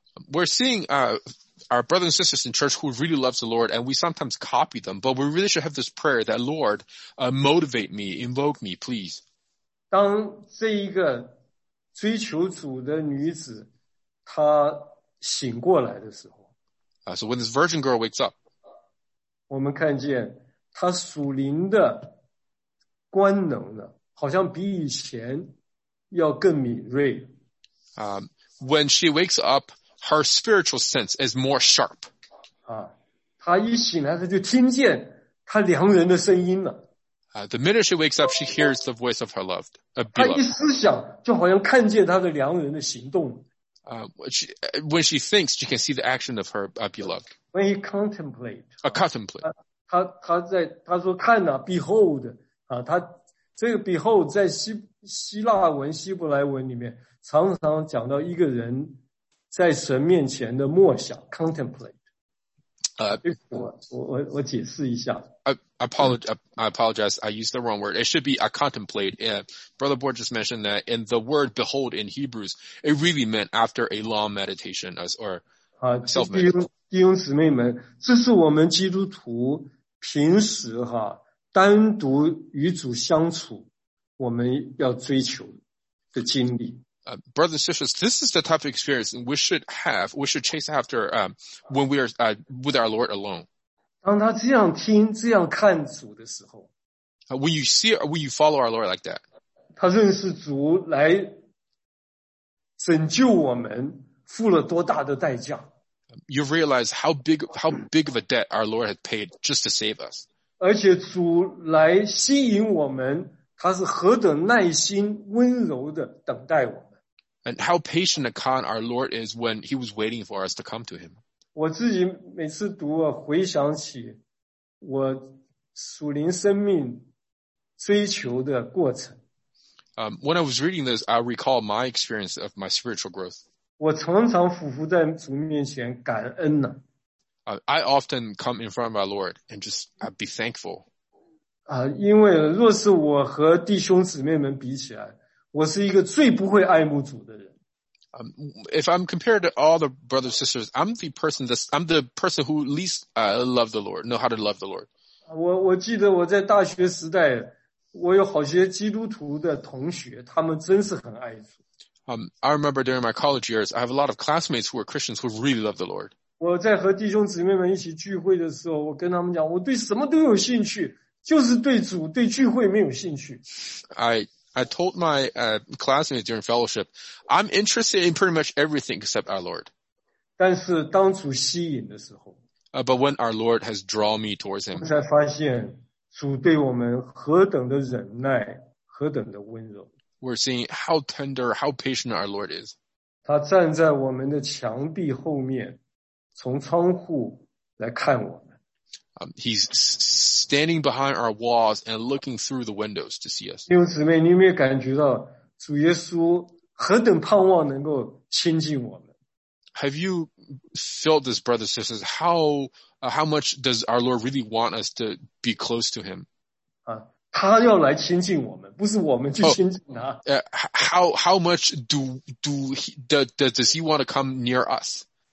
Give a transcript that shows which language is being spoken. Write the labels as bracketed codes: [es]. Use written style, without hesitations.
[en] We're seeing, our brothers and sisters in church who really love the Lord, and we sometimes copy them, but we really should have this prayer that Lord, motivate me, invoke me, please. [zh] 当这一个追求主的女子她醒过来的时候。 [en] So when this virgin girl wakes up, [zh] 我们看见她属灵的官能呢好像比以前要更敏锐。 [en] When she wakes up, her spiritual sense is more sharp. [zh] 她一醒来她就听见她良人的声音了。 [en] The minute she wakes up, she hears the voice of her loved, a beloved. [zh] 她一思想就好像看见她的良人的行动。 [en] When she thinks, she can see the action of her beloved. When he contemplates. A contemplate. [zh] 他说看了 behold 啊，他这个 behold 在希腊文希伯来文里面常常讲到一个人在神面前的默想 contemplate。我解释一下。 [en] I apologize. I used the wrong word. It should be I contemplate. And Brother Board just mentioned that in the word behold in Hebrews, it really meant after a long meditation or self-meditation. [zh] 弟兄姊妹们，这是我们基督徒平时哈单独与主相处我们要追求的经历。 [en] Brothers and sisters, this is the type of experience we should have, we should chase after, when we are, with our Lord alone. [zh] 当他这样听这样看主的时候。 [en] When you see, when you follow our Lord like that. [zh] 他认识主来拯救我们付了多大的代价。 [en] You realize how big of a debt our Lord had paid just to save us. [zh] 而且主来吸引我们他是何等耐心温柔的等待我们。 [en] And how patient a con our Lord is when he was waiting for us to come to him. [zh] 我自己每次读啊回想起我属灵生命追求的过程。 [en] When I was reading this, I recall my experience of my spiritual growth. [zh] 我常常俯伏在主面前感恩呢。 [en] I often come in front of our Lord and just be thankful. [zh] 因为若是我和弟兄姊妹们比起来，我是一个最不会爱慕主的人。 [en] If I'm compared to all the brothers and sisters, I'm the person who least love the Lord, know how to love the Lord. [zh] 我记得我在大学时代，我有好些基督徒的同学，他们真是很爱主。 [en] I remember during my college years, I have a lot of classmates who are Christians who really love the Lord. [zh] 我在和弟兄姊妹们一起聚会的时候，我跟他们讲，我对什么都有兴趣，就是对主、对聚会没有兴趣。 [en] I told my classmates during fellowship, I'm interested in pretty much everything except our Lord. [zh] 但是当主吸引的时候 [en] But when our Lord has drawn me towards him, [zh] 我才发现主对我们何等的忍耐，何等的温柔。 [en] We're seeing how tender, how patient our Lord is. [zh] 他站在我们的墙壁后面，从窗户来看我们。 [en] He's standing behind our walls and looking through the windows to see us. [zh] 弟兄姊妹，你有没有感觉到主耶稣何等盼望能够亲近我们？ [en] Have you felt this, brothers and sisters? How much does our Lord really want us to be close to him? [zh] 他要来亲近我们，不是我们去亲近他。 [en] How much does he want to come near us?